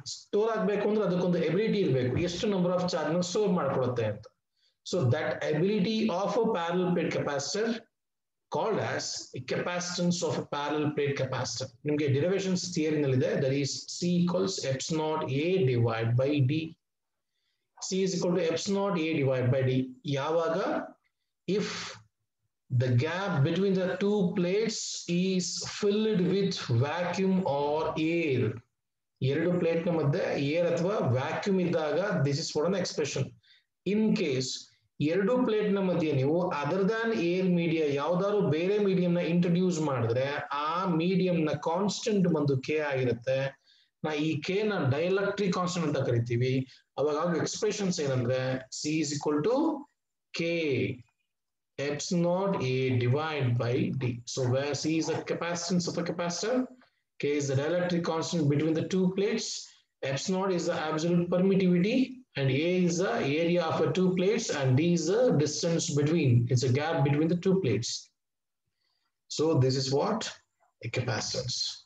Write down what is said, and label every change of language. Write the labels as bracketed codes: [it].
[kn] Store ಆಗ್ಬೇಕು ಅಂದ್ರೆ ಅದಕ್ಕೊಂದು ಎಬಿಲಿಟಿ ಇರಬೇಕು, ಎಷ್ಟು ನಂಬರ್ ಆಫ್ ಚಾರ್ಜ್ ನ ಸ್ಟೋರ್ ಮಾಡ್ಕೊಳುತ್ತೆ ಅಂತ. [en] So that ability of a parallel plate capacitor called as capacitance of a parallel plate capacitor. [kn] ನಿಮ್ಗೆ ಡಿರೈವೇಷನ್ಸ್ ಥಿಯರಿ ನಲ್ಲಿ ಇದೆ, [en] That is C equals epsilon A divide by D. C is equal to epsilon A divide by D. [kn] ಯಾವಾಗ? [en] If the gap between the two plates is filled with vacuum or air. [kn] ಎರಡು plate ನ ಮಧ್ಯೆ air ಅಥವಾ vacuum ಇದ್ದಾಗ [en] This is what an expression. [kn] In case ಎರಡು plate ನ ಮಧ್ಯೆ ನೀವು [en] other than air media [kn] ಯಾವ್ದಾದ್ರು ಬೇರೆ ಮೀಡಿಯಂ ನ ಇಂಟ್ರೊಡ್ಯೂಸ್ ಮಾಡಿದ್ರೆ ಆ ಮೀಡಿಯಂ ನ ಕಾನ್ಸ್ಟೆಂಟ್ ಬಂದು ಕೆ ಆಗಿರುತ್ತೆ. ನಾ ಈ ಕೆ ನ ಡೈಎಲೆಕ್ಟ್ರಿಕ್ ಕಾನ್ಸ್ಟೆಂಟ್ ಅಂತ ಕರಿತೀವಿ. ಅವಾಗ ಎಕ್ಸ್ಪ್ರೆಷನ್ಸ್ ಏನಂದ್ರೆ [en] C is equal to K epsilon naught a divided by d. So where c is the capacitance of a capacitor, k is the dielectric constant between the two plates, epsilon naught is the absolute permittivity, and a is the area of a two plates, and d is the distance between, it's a gap between the two plates. So this is what a capacitance.